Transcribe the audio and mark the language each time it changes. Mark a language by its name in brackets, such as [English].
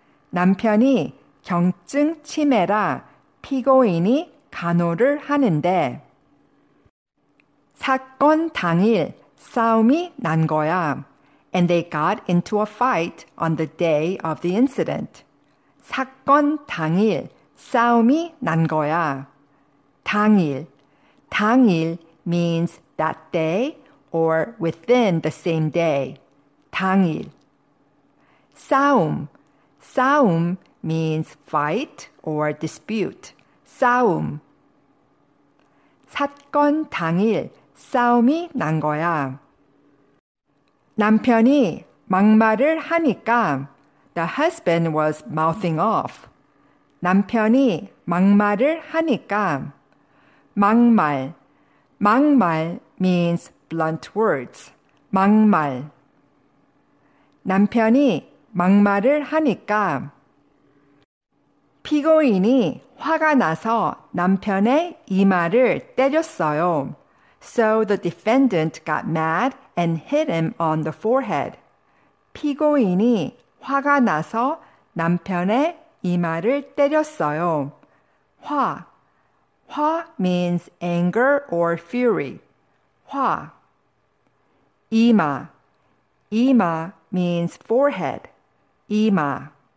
[Korean] 남편이 경증 치매라 피고인이 간호를 하는데 사건 당일 싸움이 난 거야. [English] And they got into a fight on the day of the incident. [Korean] 사건 당일 싸움이 난 거야. 당일. [English] 당일 means that day or within the same day. 당일. 싸움. 싸움 means fight or dispute. 싸움. [Korean] 사건 당일 싸움이 난 거야. 남편이 막말을 하니까 [English] The husband was mouthing off. [Korean] 남편이 막말을 하니까 막말. [English] 막말 means blunt words. 막말. [Korean] 남편이 막말을 하니까 피고인이 화가 나서 남편의 이마를 때렸어요. [English] So the defendant got mad and hit him on the forehead. [Korean] 피고인이 화가 나서 남편의 이마를 때렸어요. [English] 화. 화 means anger or fury. 화. 이마. 이마 means forehead. 이마.